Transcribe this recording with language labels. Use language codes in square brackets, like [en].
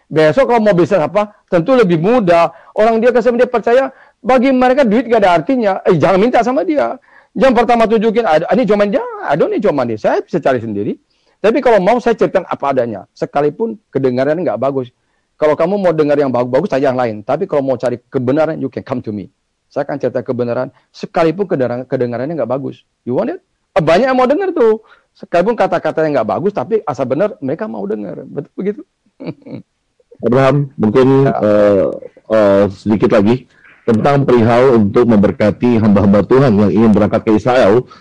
[id] Besok kalau mau bisnis apa, tentu lebih mudah. Orang dia kesempatan dia percaya, bagi mereka duit gak ada artinya. Jangan minta sama dia. Jam pertama tunjukin, ini cuman dia, aduh ini cuman dia. Saya bisa cari sendiri. Tapi kalau mau saya ceritakan apa adanya. Sekalipun kedengaran gak bagus. Kalau kamu mau dengar yang bagus-bagus, tanya yang lain. Tapi kalau mau cari kebenaran, [en] you can come to me. [id] Saya akan cerita kebenaran, sekalipun kedengarannya nggak bagus. [en] You want it? [id] Banyak yang mau dengar tuh. Sekalipun kata-katanya nggak bagus, tapi asal benar, mereka mau dengar. Betul begitu? Abraham, mungkin ya. Sedikit lagi, tentang perihal untuk memberkati hamba-hamba Tuhan yang ingin berangkat ke Israel.